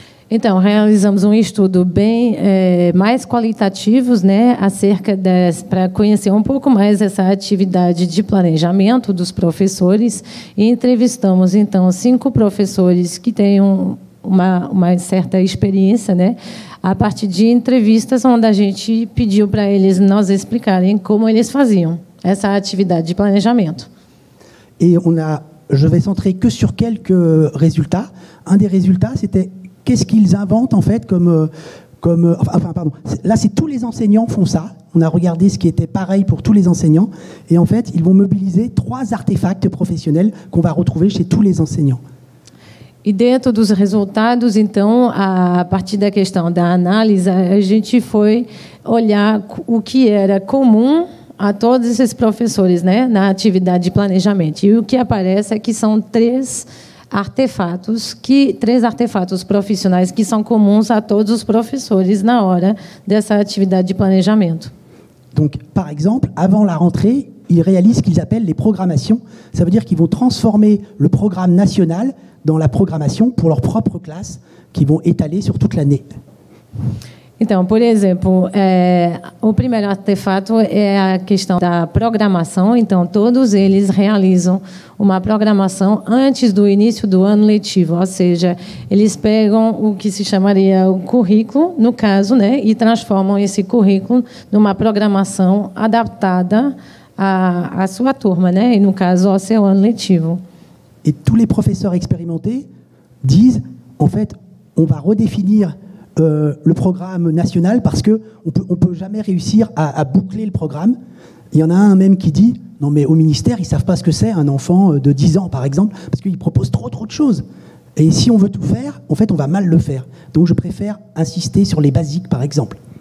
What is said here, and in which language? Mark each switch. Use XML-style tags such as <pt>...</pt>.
<pt>Então, realizamos estudo bem mais qualitativos, né, acerca para conhecer pouco mais essa atividade de planejamento dos professores, e entrevistamos então 5 professores que têm uma certa experiência, né, a partir de entrevistas onde a gente pediu para eles nos explicarem como eles faziam essa atividade de planejamento.</pt> <fr>E je vais centrer que sur quelques résultats. Un des résultats, c'était qu'est-ce qu'ils inventent, en fait, là, c'est tous les enseignants font ça. On a regardé ce qui était pareil pour tous les enseignants. Et en fait, ils vont mobiliser 3 artefacts professionnels qu'on va retrouver chez tous les enseignants.</fr> <pt>E dentro dos resultados, então, a partir da questão da análise, a gente foi olhar o que era comum a todos esses professores, né, na atividade de planejamento. E o que aparece é que são 3 artefatos profissionais que são comuns a todos os professores na hora dessa atividade de planejamento.</pt> <fr>Donc, par exemple, avant la rentrée, ils réalisent ce qu'ils appellent les programmations. Ça veut dire qu'ils vont transformer le programme national dans la programmation pour leur propre classe, qu'ils vont étaler sur toute l'année.</fr> <pt>Então, por exemplo, o primeiro artefato é a questão da programação. Então, todos eles realizam uma programação antes do início do ano letivo. Ou seja, eles pegam o que se chamaria o currículo, no caso, né, e transformam esse currículo numa programação adaptada à sua turma, né, e no caso, ao seu ano letivo. E todos os professores experimentados dizem,</pt> <fr>en fait, on va redéfinir le programme national, parce que on peut jamais réussir à boucler le programme. Il y en a un même qui dit non, mais au ministère ils savent pas ce que c'est un enfant de 10 ans par exemple, parce qu'ils proposent trop de choses, et si on veut tout faire, en fait on va mal le faire, donc je préfère insister sur les basiques par exemple.</fr>